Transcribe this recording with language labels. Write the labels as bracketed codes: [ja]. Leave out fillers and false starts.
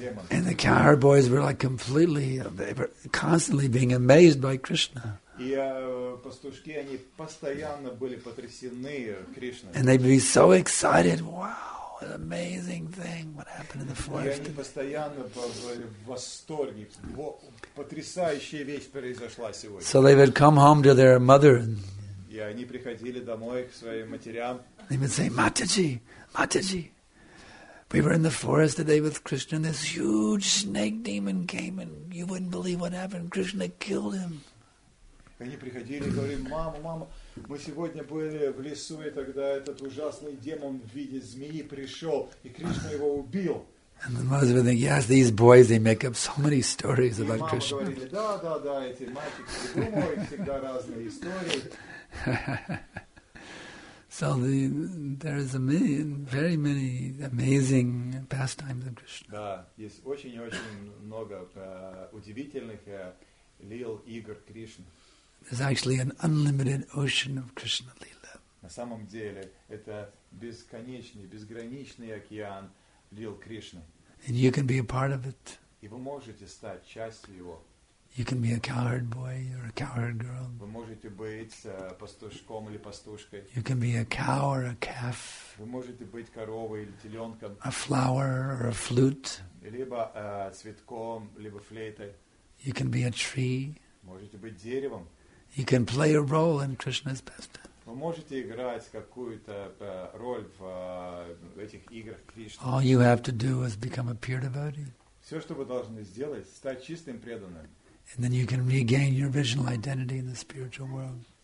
[en] And the cowherd boys were like completely, they were constantly being amazed by Krishna. [ru] И пастушки, они постоянно были потрясены Кришной. [en] And they'd be so excited, wow. What an amazing thing what happened in the forest. [ru] Они постоянно были в восторге. Потрясающая вещь произошла сегодня. [en] So they would come home to their mother. [ru] И они приходили домой к своим матерям. [en] They would say, Mataji, we were in the forest today with Krishna, and this huge snake demon came, and you wouldn't believe what happened. Krishna killed him. [ru] Они приходили и говорили, мама, мы сегодня были в лесу, и тогда этот ужасный демон в виде змеи пришел, и Кришна его убил. [en] And the mothers would think, yes, these boys, they make up so many stories about Krishna. [ru] И мама говорила, да, эти мальчики придумывают всегда разные истории. [en] So there is very many amazing pastimes of Krishna. [ru] Да, есть очень-очень много удивительных лил игр Кришны. [en] There's actually an unlimited ocean of Krishna Lila. [ru] На самом деле, это бесконечный, безграничный океан лил Кришны. [en] And you can be a part of it. [ru] И вы можете стать частью его. [en] You can be a cowherd boy or a cowherd girl. [ru] Вы можете быть пастушком или пастушкой. [en] You can be a cow or a calf. [ru] Вы можете быть коровой или теленком. [en] A flower or a flute. [ru] Либо цветком, либо флейтой. [en] You can be a tree. [ru] Можете быть деревом. [en] You can play a role in Krishna's pastime. [ru] Вы можете играть какую-то роль в этих играх Кришны. [en] All you have to do is become a pure devotee. [ru] Все, что вы должны сделать, стать чистым преданным. [en] And then you can regain your original identity in the spiritual world.